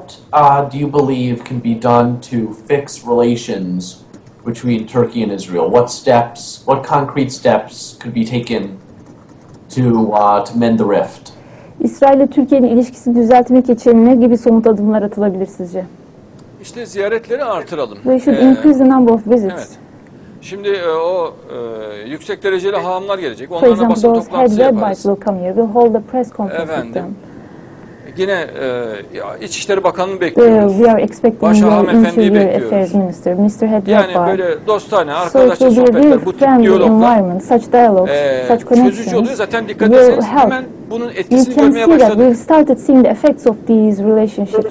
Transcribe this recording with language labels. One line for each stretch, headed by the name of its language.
English: What do you believe can be done to fix relations between Turkey and Israel? What steps, what concrete steps could be taken to mend the rift?
Turkish: İsrail ile Türkiye'nin ilişkisini düzeltmek için ne gibi somut adımlar atılabilir sizce? İşte ziyaretleri artıralım.
English: We should increase the number of visits.
Turkish: Evet. Şimdi yüksek dereceli hahamlar gelecek. Onlarla basın toplantısı yaparız.
English: For example, those head rabbis will come here. We'll hold a press conference
Turkish: efendim
English: with them.
Turkish: Yine İçişleri Bakanı'nı bekliyoruz. Başhaham Efendi'yi bekliyoruz.
English: Minister, Mr.
Turkish: Yani böyle dostane, arkadaşça sohbetler, bu tip diyaloglar çözücü oluyor. Zaten dikkat etseniz hemen bunun etkisini görmeye başladık.
English: We've started seeing the effects of these relationships.